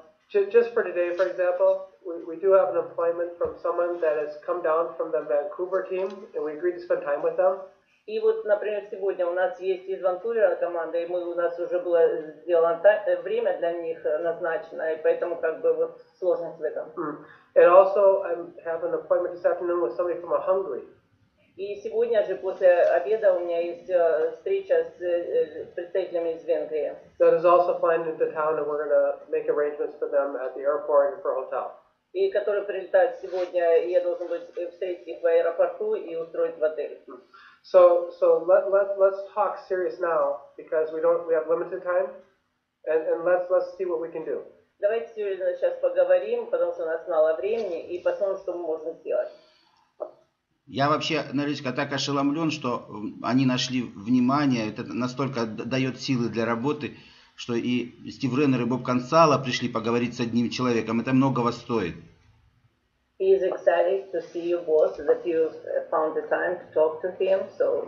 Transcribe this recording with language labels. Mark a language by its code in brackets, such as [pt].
[en] Just for today, for example, we do have an appointment from someone that has come down from the Vancouver team, and we agreed to spend time with them. [ru] И вот, например, сегодня у нас есть из Ванкувера команда, и мы у нас уже было сделано время для них назначено, и поэтому как бы вот сложность в этом. [en] And also, I have an appointment this afternoon with somebody from Hungary. [ru] И сегодня же после обеда у меня есть встреча с представителями из Венгрии. [en] That is also flying into town, and we're going to make arrangements for them at the airport and for hotel. [ru] И которые прилетают сегодня, и я должен быть встретить их в аэропорту и устроить в отель. [en] So let's talk serious now, because we have limited time, and let's see what we can do. [ru] Давайте серьезно сейчас поговорим, потому что у нас мало времени, и посмотрим, что мы можем сделать. Я вообще, Нариска, так ошеломлен, что они нашли внимание, это настолько дает силы для работы, что и Стив Реннер, и Боб Консало пришли поговорить с одним человеком, это многого стоит. [en] He is excited to see you both, that you found the time to talk to him, so...